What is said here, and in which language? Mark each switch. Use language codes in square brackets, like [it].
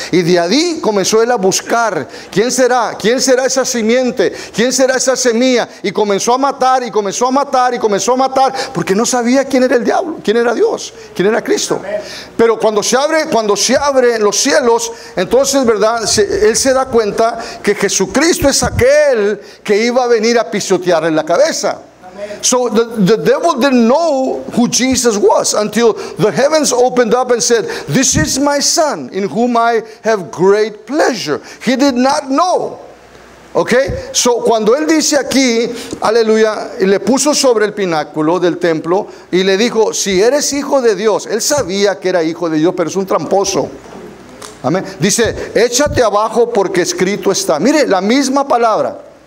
[es] Y de allí comenzó él a buscar quién será, quién será esa simiente, quién será esa semilla, y comenzó a matar y comenzó a matar y comenzó a matar, porque no sabía quién era el diablo, quién era Dios, quién era Cristo. Pero cuando se abre los cielos, entonces, ¿verdad?, él se da cuenta que Jesucristo es aquel que iba a venir a pisotear en la cabeza. [en] So the devil didn't know who Jesus was until the heavens opened up and said, "This is my son in whom I have great pleasure." He did not know. Okay? [es] So cuando él dice aquí, aleluya, y le puso sobre el pináculo del templo y le dijo, "Si eres hijo de Dios," él sabía que era hijo de Dios, pero es un tramposo. Amén. Dice, "Échate abajo porque escrito está." Mire, la misma palabra.